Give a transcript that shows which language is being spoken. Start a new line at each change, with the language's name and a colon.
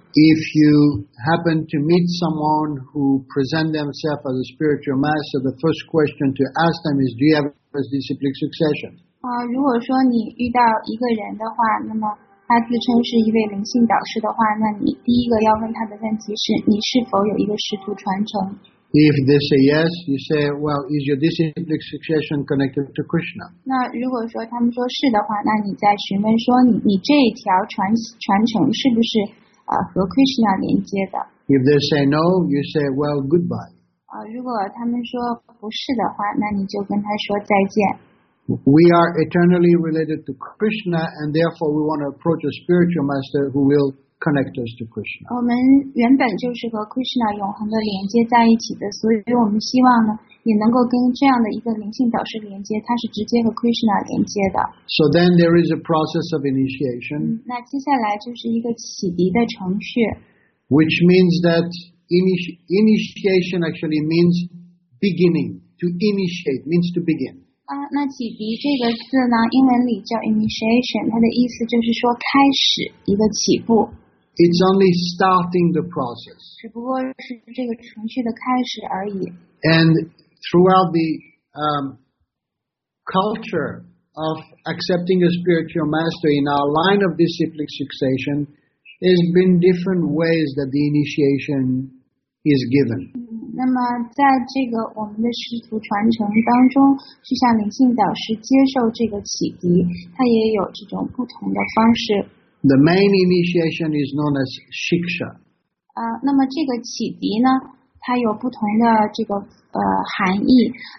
English: If you happen to meet someone who present themselves as a spiritual master, the first question to ask them is, "Do you have a disciplic succession?"
Chinese: 如果说你遇到一个人的话，那么他自称是一位灵性导师的话，那你第一个要问他的问题是你是否有一个师徒传承。
English: If they say yes, you say, well, is your disciplic succession connected to Krishna?
Chinese: 那如果说他们说是的话，那你再询问说你这条传承是不是和 Krishna 连接的。
English: If they say no, you say, well, goodbye.
Chinese: 如果他们说不是的话，那你就跟他说再见。
English: We are eternally related to Krishna, and therefore we want to approach a spiritual master who will connect us to Krishna.
Chinese: 我们原本就是和 Krishna 永恒的连接在一起的，所以我们希望呢，也能够跟这样的一个灵性导师连接，他是直接和 Krishna 连接的。
English: So then there is a process of initiation.
Chinese: 那接下来就是一个启迪的程序。
English: Which means that initiation actually means beginning. To initiate means to begin.
Chinese: 那启迪这个字呢，英文里叫 initiation， 它的意思就是说开始一个起步。
English: It's only starting the process.
Chinese: 只不过是这个程序的开始而已。
English: And throughout the culture of accepting a spiritual master in our line of disciplic succession, there's been different ways that the initiation is given.
Chinese: 那么在这个我们的师徒传承当中，就像灵性导师接受这个启迪，他也有这种不同的方式。
English: The main initiation is known as Shiksha.
Chinese: 那么这个启迪呢，它有不同的这个含义。